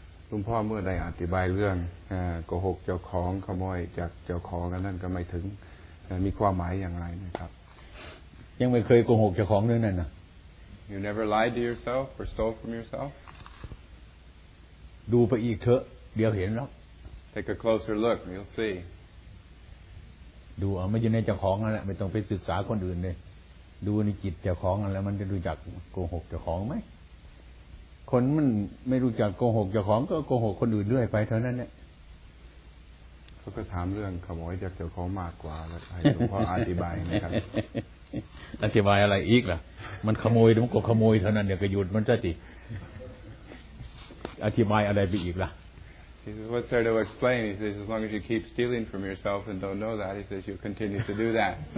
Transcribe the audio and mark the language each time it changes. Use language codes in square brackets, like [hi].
[th] คุณพ่อเมื่อได้อธิบายเรื่องโกหกเจ้าของขโมยจากเจ้าของนั้นก็ไม่ถึงมีความหมายอย่างไรนะครับ ยังไม่เคยโกหกเจ้าของด้วยนั่นน่ะ [en] You never lied to yourself or stole from yourself [th] ดูไปอีกเถอะเดี๋ยวเห็นหรอก [en] Take a closer look you'll see [th] ดูเอาไม่ใช่ในเจ้าของนั่นแหละไม่ต้องไปศึกษาคนอื่นเลยดูในจิตเจ้าของนั่นแล้วมันจะรู้จักโกหกเจ้าของไหมคนมันไม่รู้จักโกหกเจ้าของก็โกหกคนอื่นเรื่อยไปเท่านั้นเนี่ย เขาก็ถามเรื่องขโมยจากเจ้าของมากกว่าแล้วให้หลวงพ่ออธิบายนะครับอธิบายอะไรอีกล่ะมันขโมยมันก็ขโมยเท่านั้นเดี๋ยวก็หยุดมันซะสิอธิบายอะไรไปอีกล่ะ [en] He says what's there to explain He says as long as you keep stealing from yourself and don't know that He says you continue to do that